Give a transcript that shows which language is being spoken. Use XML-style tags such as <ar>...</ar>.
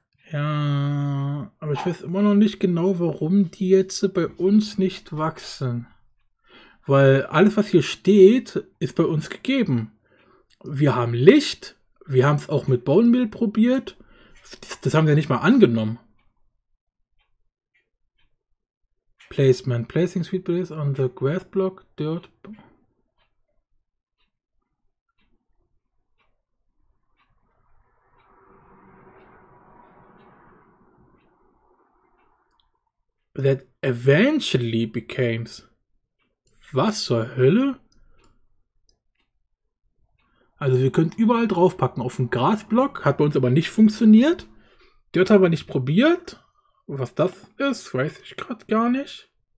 <de>Ja, aber ich weiß immer noch nicht genau, warum die jetzt bei uns nicht wachsen. Weil alles, was hier steht, ist bei uns gegeben. Wir haben Licht, wir haben es auch mit Bone Meal probiert. Das haben wir nicht mal angenommen.</de> <en>Placement. Placing Sweet Berries on the grass block. Dirt. That eventually becomes.</en> <de>Was zur Hölle? Also wir können überall draufpacken. Auf dem Grasblock hat bei uns aber nicht funktioniert. Dort haben wir nicht probiert. Was das ist, weiß ich gerade gar nicht.</de>